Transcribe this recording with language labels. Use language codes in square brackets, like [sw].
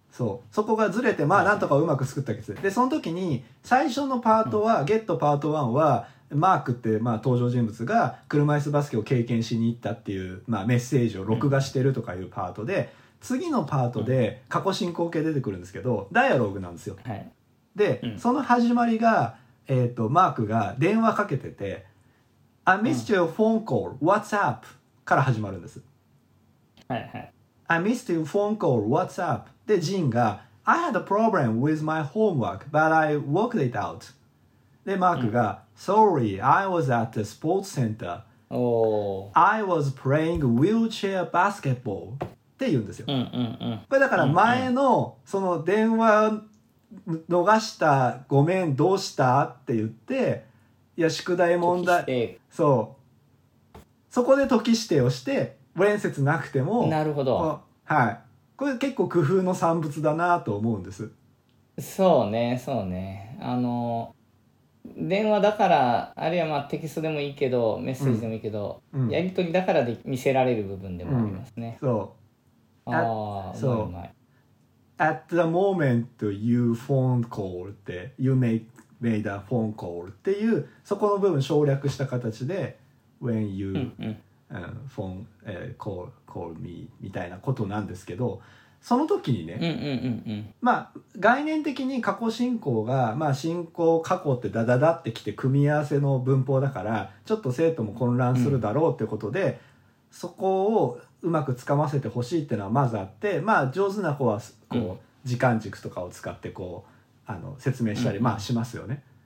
[ja] そう、そこがずれて、まあなんとかうまく作ったわけです、はい、でその時に最初のパートは、うん、ゲットパート1はマークって、まあ、登場人物が車椅子バスケを経験しに行ったっていう、まあ、メッセージを録画してるとかいうパートで、うん、次のパートで過去進行形出てくるんですけど、うん、ダイアログなんですよ、はい、で、うん、その始まりが、マークが電話かけてて、うん、 [en] I missed your phone call, what's up? [ja] から始まるんです、はいはい、 [en] I missed your phone call, what's up? [ja] で、ジンが [en] I had a problem with my homework, but I worked it out. [ja] で、マークが、うん、 [en] Sorry, I was at the sports center. I was playing wheelchair basketball. [ja] って言うんですよ。うんうんうん、これだから前のその電話逃した、ごめん、どうしたって言って、いや、宿題問題。そう。そこで時指定をして、連接なくても。なるほど。はい。これ結構工夫の産物だなと思うんです。そうね、そうね。電話だから、あるいはまあテキストでもいいけどメッセージでもいいけど、うん、やり取りだからで見せられる部分でもありますね、うん、そう、ああそう、まい [en] At the moment you phone call [ja] って [en] You made a phone call [ja] っていうそこの部分省略した形で [en] When you、 [ja] うんうん、 [en] phone、call me [ja] みたいなことなんですけど、その時にね、うんうんうん、まあ概念的に過去進行が、まあ、進行過去ってダダダってきて組み合わせの文法だからちょっと生徒も混乱するだろうってことで、うん、そこをうまくつかませてほしいっていうのはまずあって、まあ上手な子はこう、うん、時間軸とかを使ってこう説明したり、うん、まあしますよね。